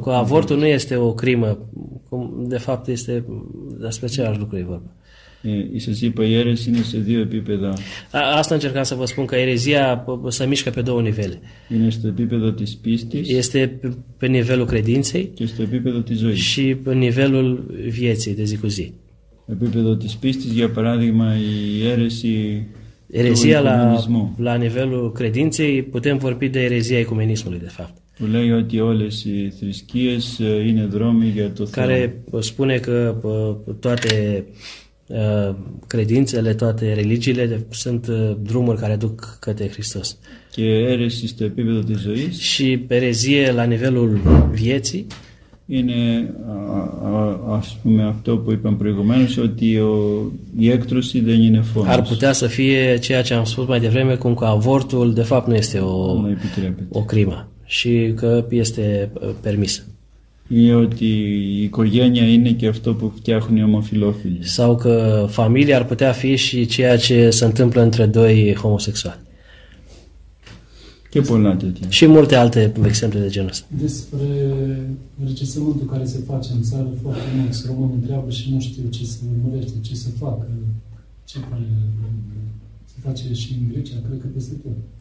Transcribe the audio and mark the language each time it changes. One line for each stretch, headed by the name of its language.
Romanian: Că avortul nu este o crimă. De fapt, este despre același lucru e vorba.
Greek: Σας είπα, η αίρεση είναι σε δύο επίπεδα.
Romanian: Asta încercam să vă spun, că αιρεζία se mișcă pe două nivele.
Greek: Είναι στο επίπεδο της πίστης.
Romanian: Este pe nivelul credinței.
Greek: Και στο επίπεδο της ζωής.
Romanian: Și pe nivelul vieții de zi cu zi.
Greek: Επίπεδο της πίστης, για παράδειγμα, η αίρεση του οικουμενισμού.
Romanian: La nivelul credinței putem vorbi de αιρεζία οικουμενισμού, de fapt.
Greek: Που λέει ότι όλες οι θρησκείες είναι δρόμοι για το Θεό.
Romanian: Care spune că toate credințele, toate religiile sunt drumuri care duc către Hristos.
Greek: Και αίρεση στο επίπεδο της ζωής.
Romanian: Și αιρεζία la nivelul vieții.
Greek: Είναι, ας πούμε, αυτό που είπαμε προηγουμένως, ότι η έκτρωση δεν είναι φόνος.
Romanian: Ar putea să fie ceea ce am spus mai devreme, cum că avortul de fapt nu este o crimă. Și că este permisă.
Greek: Ή ότι η οικογένεια είναι και αυτό που φτιάχνουν οι ομοφιλόφιλοι.
Romanian: Sau că familia ar putea fi și ceea ce se întâmplă între doi homosexuali.
Greek: Και πολλά τέτοια.
Romanian: Și multe alte exemple de genul ăsta. Despre recensământul care se face în țară, foarte mulți români întreabă și nu știu ce se numărește, ce se facă, ce care se face și în Grecia, cred că peste tot.